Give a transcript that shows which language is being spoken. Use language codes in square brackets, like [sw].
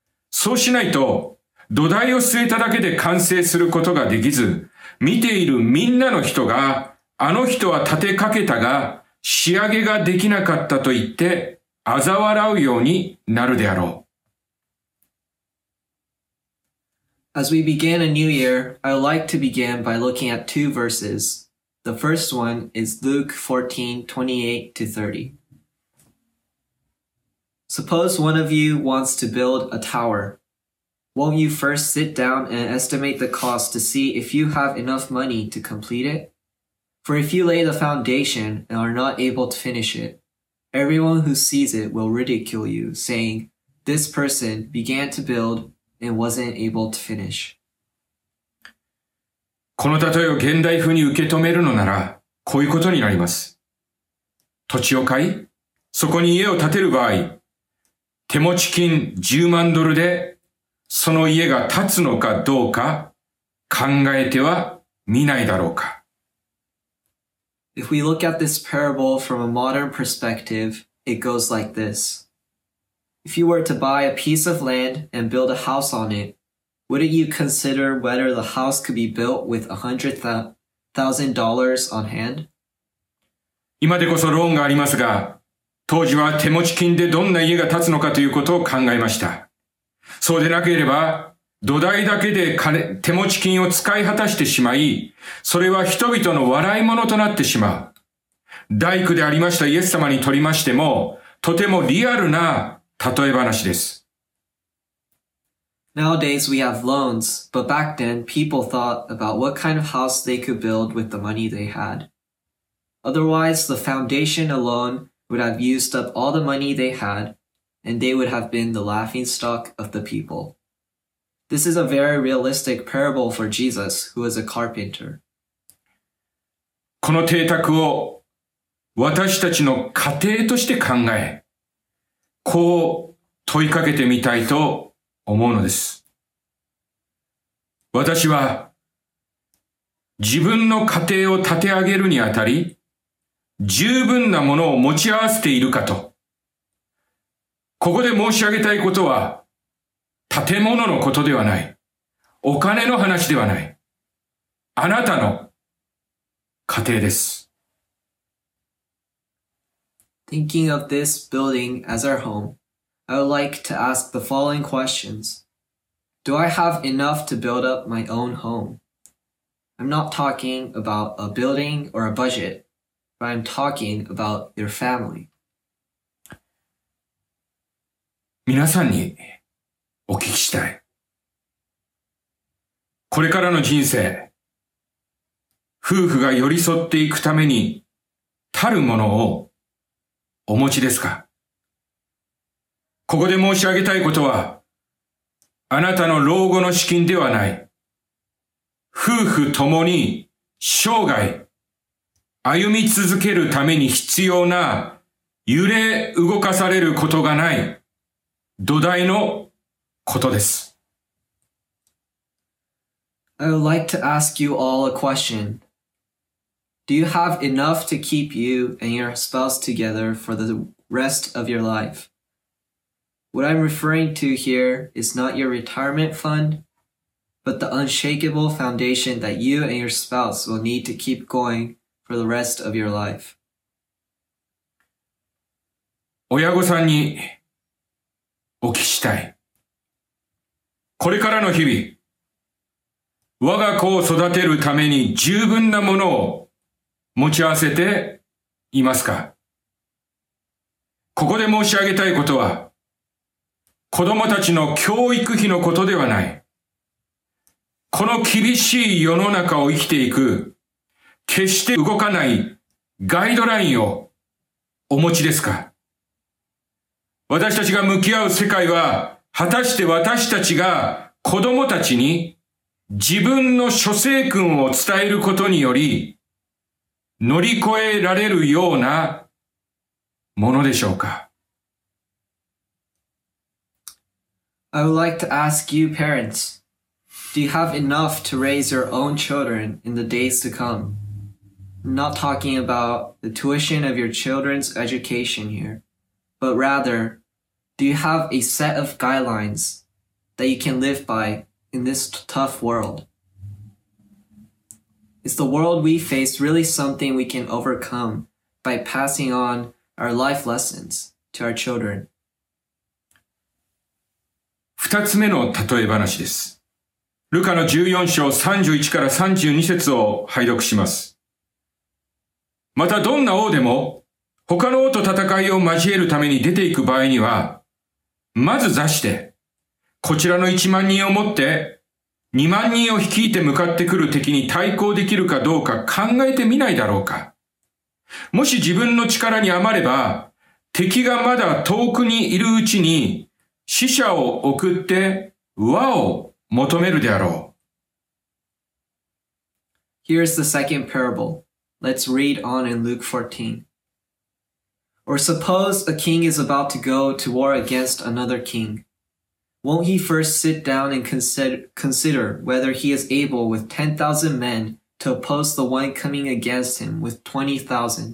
[ja] そうしないと土台を据えただけで完成することができず、見ているみんなの人があの人は立てかけたが仕上げができなかったと言って嘲笑うようになるであろう。 [en] As we begin a new year, I would like to begin by looking at two verses. The first one is Luke 14:28-30. Suppose one of you wants to build a tower. Won't you first sit down and estimate the cost to see if you have enough money to complete it? For if you lay the foundation and are not able to finish it, everyone who sees it will ridicule you, saying, "This person began to build and wasn't able to finish. [ja] この例を現代風に受け止めるのなら、こういうことになります。土地を買い、そこに家を建てる場合、手持ち金10万ドルで、その家が建つのかどうか考えてはみないだろうか。 [en] If we look at this parable from a modern perspective, it goes like this. If you were to buy a piece of land and build a house on it, wouldn't you consider whether the house could be built with $100,000 on hand? [ja] 今でこそローンがありますが、当時は手持ち金でどんな家が建つのかということを考えました。そうでなければ、土台だけで金、手持ち金を使い果たしてしまい、それは人々の笑い者となってしまう。大工でありましたイエス様にとりましても、とてもリアルな例え話です。 [en] Nowadays we have loans, but back then people thought about what kind of house they could build with the money they had. Otherwise, the foundation alone would have used up all the money they had, and they would have been the laughingstock of the people. This is a very realistic parable for Jesus, who was a carpenter. [ja] この邸宅を私たちの家庭として考え、こう問いかけてみたいと思うのです。私は自分の家庭を立て上げるにあたり、十分なものを持ち合わせているかと。ここで申し上げたいことは、建物のことではない。お金の話ではない。あなたの家庭です。 [en] Thinking of this building as our home, I would like to ask the following questions. Do I have enough to build up my own home? I'm not talking about a building or a budget, but I'm talking about your family. [ja] 皆さんにお聞きしたい。これからの人生、夫婦が寄り添っていくために、たるものをお持ちですか？ここで申し上げたいことは、あなたの老後の資金ではない。夫婦ともに生涯歩み続けるために必要な揺れ動かされることがない土台のことです。 [en] I would like to ask you all a question. Do you have enough to keep you and your spouse together for the rest of your life? What I'm referring to here is not your retirement fund, but the unshakable foundation that you and your spouse will need to keep going for the rest of your life. [ja] 親御さんにお聞きしたい。これからの日々、我が子を育てるために十分なものを持ち合わせていますか？ここで申し上げたいことは、子供たちの教育費のことではない。この厳しい世の中を生きていく、決して動かないガイドラインをお持ちですか？私たちが向き合う世界は、果たして私たちが子供たちに自分の諸生訓を伝えることにより乗り越えられるようなものでしょうか？ I would like to ask you parents, do you have enough to raise your own children in the days to come? I'm not talking about the tuition of your children's education here, but rather,Do you have a set of guidelines that you can live by in this tough world? Is the world we face really something we can overcome by passing on our life lessons to our children? 二つ目の例え話です。ルカの14章31から32節を拝読します。またどんな王でも他の王と戦いを交えるために出ていく場合には、まず座して、こちらの1万人をもって、2万人を率いて向かってくる敵に対抗できるかどうか考えてみないだろうか。もし自分の力に余れば、敵がまだ遠くにいるうちに、使者を送って和を求めるであろう。 [en] Here's the second parable. Let's read on in Luke 14. Or suppose a king is about to go to war against another king. Won't he first sit down and consider whether he is able with 10,000 men to oppose the one coming against him with 20,000?